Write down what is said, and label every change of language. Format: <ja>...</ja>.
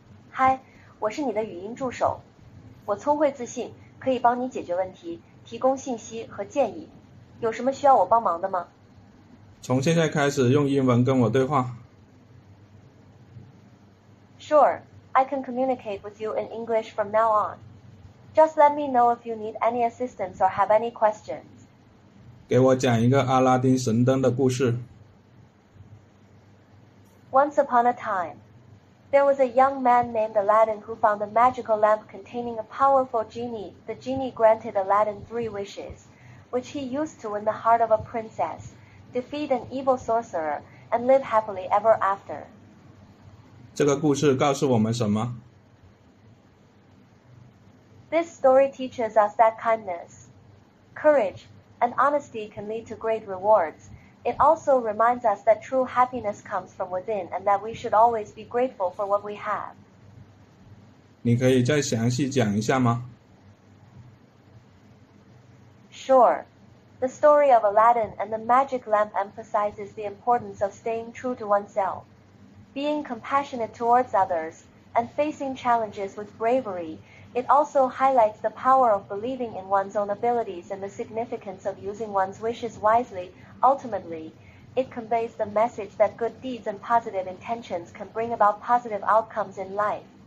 <zh>嗨，我是你的语音助手，我聪慧自信，可以帮你解决问题，提供信息和建议，有什么需要我帮忙的吗？从现在开始用英文跟我对话。</zh> <en>Sure, I can communicate with you in English from now on. Just let me know if you need any assistance or have any questions.</en> <zh>给我讲一个阿拉丁神灯的故事。</zh> <en>Once upon a time, there was a young man named Aladdin who found a magical lamp containing a powerful genie. The genie granted Aladdin 3 wishes, which he used to win the heart of a princess, defeat an evil sorcerer, and live happily ever after.</en> <zh>这个故事告诉我们什么？</zh> <en>This story teaches us that kindness, courage, and honesty can lead to great rewards. It also reminds us that true happiness comes from within and that we should always be grateful for what we have.</en> <zh>你可以再详细讲一下吗？</zh> <en>Sure. The story of Aladdin and the magic lamp emphasizes the importance of staying true to oneself. Being compassionate towards others and facing challenges with bravery, it also highlights the power of believing in one's own abilities and the significance of using one's wishes wiselyUltimately, it conveys the message that good deeds and positive intentions can bring about positive outcomes in life.</en>